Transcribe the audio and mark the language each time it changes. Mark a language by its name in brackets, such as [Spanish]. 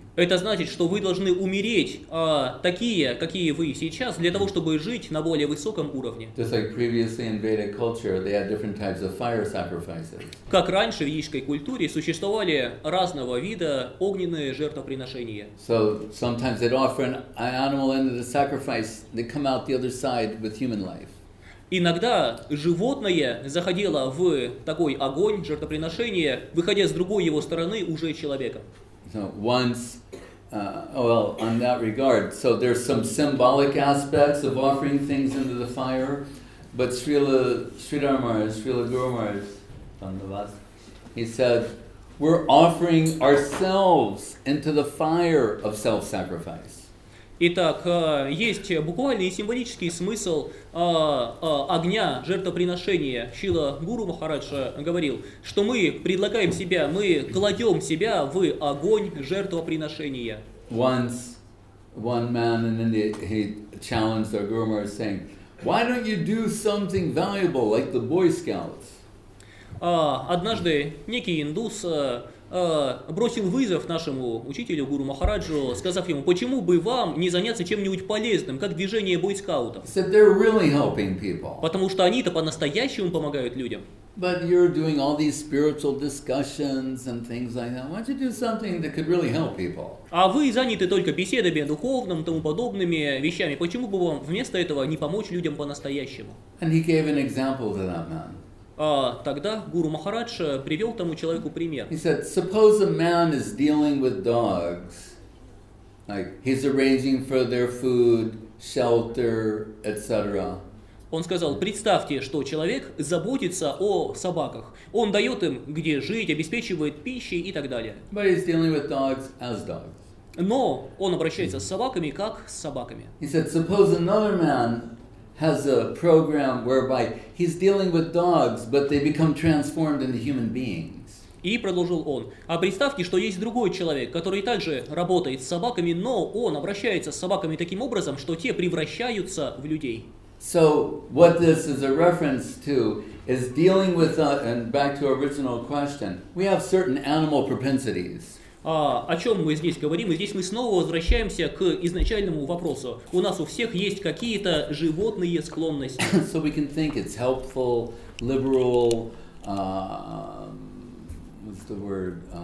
[Russian] Это значит, что вы должны умереть такие, какие вы сейчас, для того, чтобы жить на более высоком уровне. [English] Just like previously in Vedic culture, they had different types of fire sacrifices. [Russian] Как раньше в ведической культуре существовали разного вида огненные жертвоприношения. [English] So sometimes they'd offer an animal into the sacrifice, they come out the other side with human life. [Russian] Иногда животное заходило в такой огонь, жертвоприношение, выходя с другой его стороны уже человеком. [English] So once, well, on that regard, so there's some symbolic aspects of offering things into the fire, but Srila Guru Maharaj, he said, we're offering ourselves into the fire of self-sacrifice. [Russian] Итак, есть буквальный и символический смысл огня, жертвоприношения. Шрила Гуру Махарадж говорил, что мы предлагаем себя, мы кладем себя в огонь жертвоприношения. [English] Once one man in India, he challenged our Guru Maharaj, saying, Why don't you do something valuable like the Boy Scouts? [Russian] Однажды некий индус бросил вызов нашему учителю Гуру Махараджу, сказав ему, почему бы вам не заняться чем-нибудь полезным, как движение бойскаутов? [English] Said they're really helping people. [Russian] Потому что они-то по-настоящему помогают людям. [English] But you're doing all these spiritual discussions and things like that. Why don't you do something that could really help people? [Russian] А вы заняты только беседами о духовном, тому подобными вещами. Почему бы вам вместо этого не помочь людям по-настоящему? [English] And he gave an example to that man. [Russian] Тогда Гуру Махарадж привел тому человеку пример. [English] He said, suppose a man is dealing with dogs, like he's arranging for their food, shelter, etc. [Russian] Он сказал, представьте, что человек заботится о собаках. Он дает им где жить, обеспечивает пищей и так далее. [English] But he's dealing with dogs as dogs. [Russian] Но он обращается с собаками как с собаками. [English] He said, suppose another man has a program whereby he's dealing with dogs, but they become transformed into human beings. [Russian] И продолжил он. А представьте, что есть другой человек, который также работает с собаками, но он обращается с собаками таким образом, что те превращаются в людей. [English] So what this is a reference to is dealing with, and back to our original question, we have certain animal propensities. [Russian] О чем мы здесь говорим? И здесь мы снова возвращаемся к изначальному вопросу. У нас у всех есть какие-то животные склонности. [English] So we can think it's helpful, liberal, what's the word?